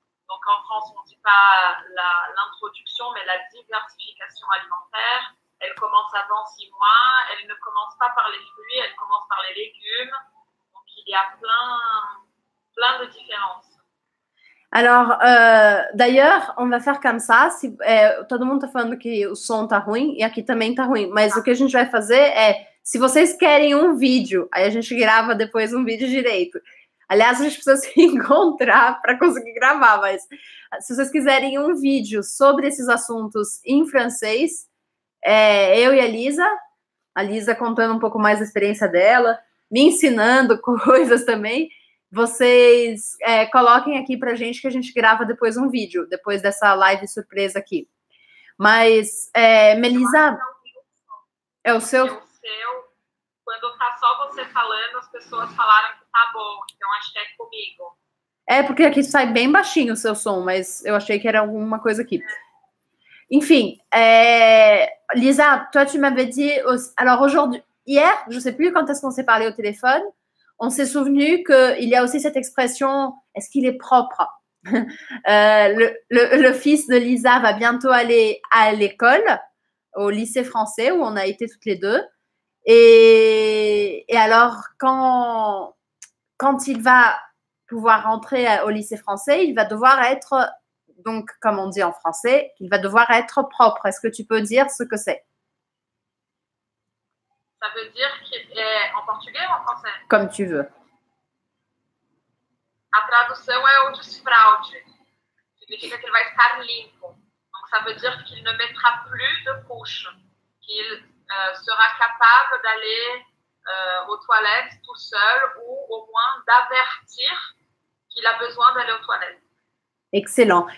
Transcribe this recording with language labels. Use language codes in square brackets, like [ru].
[fr] Donc, en France, on ne dit pas l'introduction, mais la diversification alimentaire. Elle commence avant 6 mois, elle ne commence pas par les fruits, elle commence par les légumes. Donc, il y a plein de différences. Alors, d'ailleurs, on va faire comme ça. [pt] Si, todo mundo está falando que o som está ruim, e aqui também está ruim. Mas o que a gente vai fazer é... Se vocês querem um vídeo, aí a gente grava depois um vídeo direito. Aliás, a gente precisa se encontrar para conseguir gravar, mas se vocês quiserem um vídeo sobre esses assuntos em francês, eu e a Lisa contando um pouco mais da experiência dela, me ensinando coisas também, vocês coloquem aqui para a gente que a gente grava depois um vídeo, depois dessa live surpresa aqui. Mas, Melisa, é o seu... Quando tá só você falando, as pessoas falaram que tá bom, então acho que é comigo. É, porque aqui sai bem baixinho o seu som, mas eu achei que era alguma coisa aqui. [fr] Enfim, Lisa, toi tu m'avais dit, alors aujourd'hui, hier, je sais plus quand est-ce qu'on s'est parlé au téléphone, on s'est souvenu qu'il y a aussi cette expression, est-ce qu'il est propre? le fils de Lisa va bientôt aller à l'école, au lycée français, où on a été toutes les deux. Et alors, quand il va pouvoir rentrer au lycée français, il va devoir être, donc, comme on dit en français, il va devoir être propre. Est-ce que tu peux dire ce que c'est? Ça veut dire qu'il est en portugais ou en français? Comme tu veux. [pt] A tradução é o desfraude. Significa [fr] qu'il va [pt] estar limpo. [fr] Donc, ça veut dire qu'il ne mettra plus de couches. Qu'il... sera capable d'aller aux toilettes tout seul ou au moins d'avertir qu'il a besoin d'aller aux toilettes. Excellent.